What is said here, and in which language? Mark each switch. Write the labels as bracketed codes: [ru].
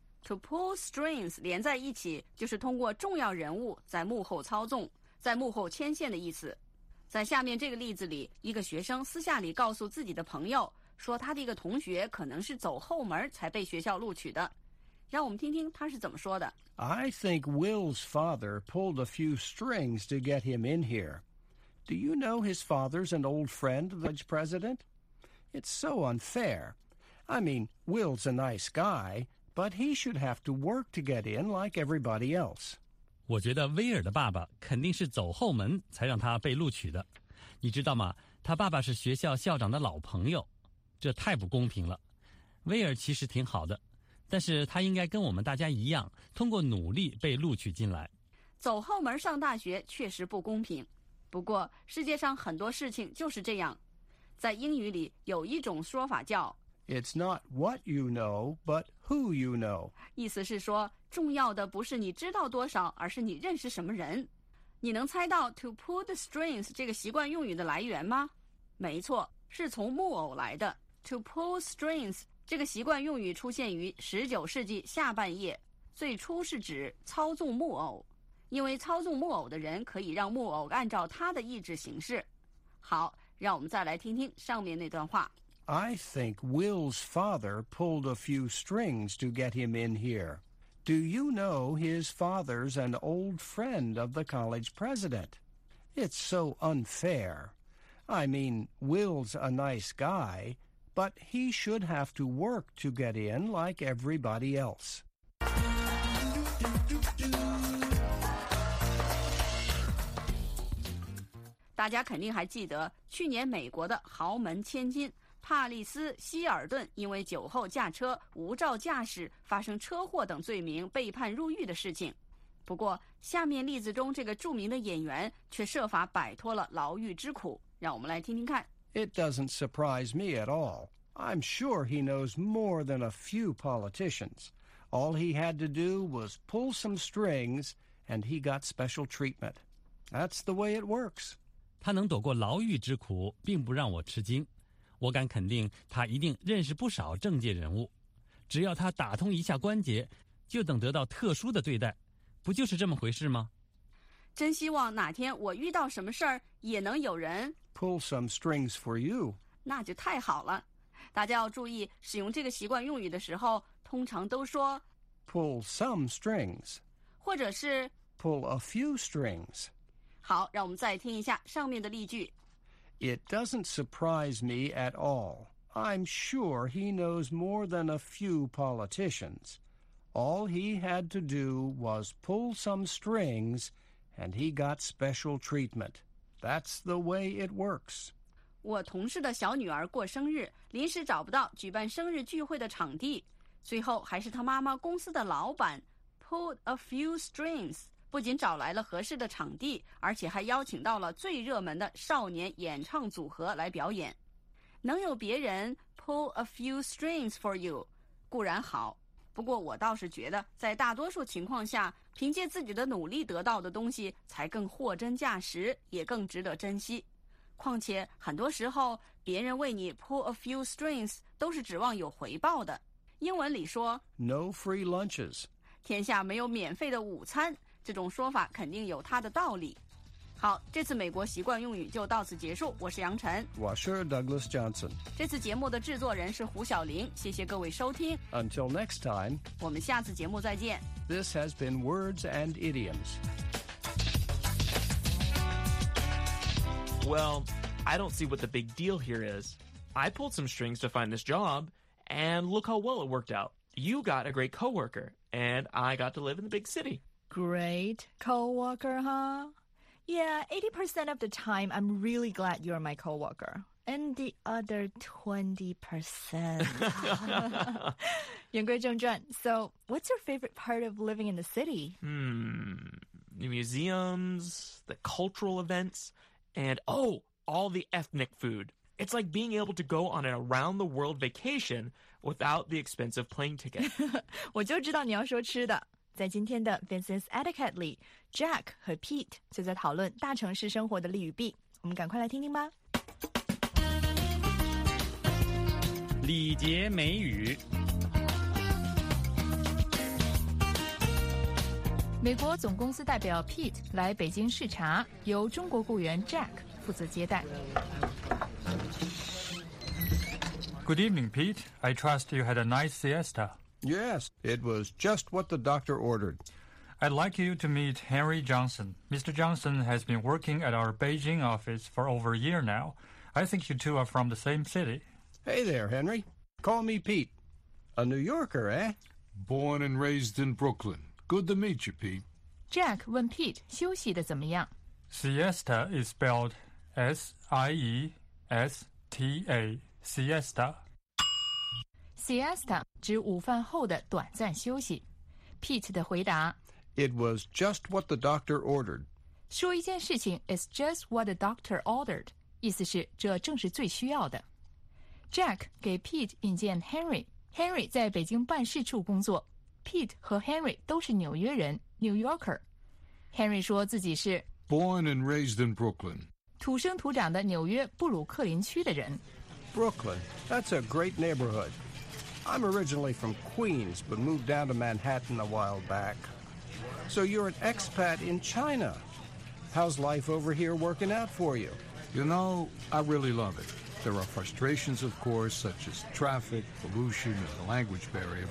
[en] To pull strings [zh] 连在一起，就是通过重要人物在幕后操纵，在幕后牵线的意思。在下面这个例子里，一个学生私下里告诉自己的朋友，说他的一个同学可能是走后门才被学校录取的。让我们听听他是怎么说的。 [en] I think Will's father pulled a few strings to get him in here. Do you know his father's an old friend, the vice president? It's so unfair. I mean, Will's a nice guy. But he should have to work to get in like everybody else. [zh] 我觉得威尔的爸爸肯定是走后门才让他被录取的。你知道吗？他爸爸是学校校长的老朋友，这太不公平了。威尔其实挺好的，但是他应该跟我们大家一样，通过努力被录取进来。走后门上大学确实不公平，不过世界上很多事情就是这样。在英语里有一种说法叫 [en] It's not what you know, but who you know. [zh] 意思是说，重要的不是你知道多少，而是你认识什么人。你能猜到 [en] to pull the strings [zh] 这个习惯用语的来源吗？没错，是从木偶来的。 [en] To pull strings [zh] 这个习惯用语出现于19世纪下半叶，最初是指操纵木偶，因为操纵木偶的人可以让木偶按照他的意志行事。好，让我们再来听听上面那段话。 [en] I think Will's father pulled a few strings to get him in here. Do you know his father's an old friend of the college president? It's so unfair. I mean, Will's a nice guy, but he should have to work to get in like everybody else. [zh] 大家肯定还记得去年美国的豪门千金帕利斯·希尔顿因为酒后驾车、无照驾驶、发生车祸等罪名被判入狱的事情。不过，下面例子中这个著名的演员却设法摆脱了牢狱之苦。让我们来听听看。 [en] It doesn't surprise me at all. I'm sure he knows more than a few politicians. All he had to do was pull some strings, and he got special treatment. That's the way it works. [zh] 他能躲过牢狱之苦，并不让我吃惊。我敢肯定他一定认识不少政界人物，只要他打通一下关节，就等得到特殊的对待，不就是这么回事吗？真希望哪天我遇到什么事儿，也能有人 [en] pull some strings for you， [zh] 那就太好了。大家要注意，使用这个习惯用语的时候，通常都说 [en] pull some strings. [zh] 或者是 [en] pull a few strings. [zh] 好，让我们再听一下上面的例句。 [en] It doesn't surprise me at all. I'm sure he knows more than a few politicians. All he had to do was pull some strings, and he got special treatment. That's the way it works. [zh] 我同事的小女儿过生日，临时找不到举办生日聚会的场地，最后还是她妈妈公司的老板 [en] pulled a few strings， [zh] 不仅找来了合适的场地，而且还邀请到了最热门的少年演唱组合来表演。能有别人 [en] pull a few strings for you， [zh] 固然好，不过我倒是觉得在大多数情况下，凭借自己的努力得到的东西才更货真价实，也更值得珍惜。况且很多时候别人为你 [en] pull a few strings [zh] 都是指望有回报的。英文里说 [en] No free lunches， [zh] 天下没有免费的午餐，这种说法肯定有它的道理。好，这次美国习惯用语就到此结束，我是杨晨，我是 Douglas Johnson，这次节目的制作人是胡晓玲，谢谢各位收听。 [en] Until next time， [zh] 我们下次节目再见。 [en] This has been Words and Idioms. Well, I don't see what the big deal here is. I pulled some strings to find this job, and look how well it worked out. You got a great coworker, and I got to live in the big city. Great coworker, huh? Yeah, 80% of the time, I'm really glad you're my coworker. And the other 20%. [zh] 言归正传 [en] So, what's your favorite part of living in the city? The museums, the cultural events, and oh, all the ethnic food. It's like being able to go on an around-the-world vacation without the expense of plane ticket. [zh] 我就知道你要说吃的。在今天的 Business Etiquette 里 ，Jack 和 Pete 就在讨论大城市生活的利与弊。我们赶快来听听吧。礼节美语。美国总公司代表 Pete 来北京视察，由中国雇员 Jack 负责接待。 [en] Good evening, Pete. I trust you had a nice siesta. Yes, it was just what the doctor ordered. I'd like you to meet Henry Johnson. Mr. Johnson has been working at our Beijing office for over a year now. I think you two are from the same city. Hey there, Henry. Call me Pete. A New Yorker, eh? Born and raised in Brooklyn. Good to meet you, Pete. [zh] Jack 问 Pete 休息得怎么样 [en] Siesta is spelled S-I-E-S-T-A. Siesta. [zh] Siesta 指午饭后的短暂休息。 Pete 的回答 [en] It was just what the doctor ordered. [zh] 说一件事情 [en] is just what the doctor ordered. [zh] 意思是这正是最需要的。 Jack 给 Pete 引荐 Henry. Henry 在北京办事处工作。 Pete 和 Henry 都是纽约人 New Yorker. Henry 说自己是 [en] Born and raised in Brooklyn. [zh] 土生土长的纽约布鲁克林区的人。 [en] Brooklyn, that's a great neighborhood. I'm originally from Queens, but moved down to Manhattan a while back. So you're an expat in China. How's life over here working out for you? You know, I really love it. There are frustrations, of course, such as traffic, pollution, and the language barrier.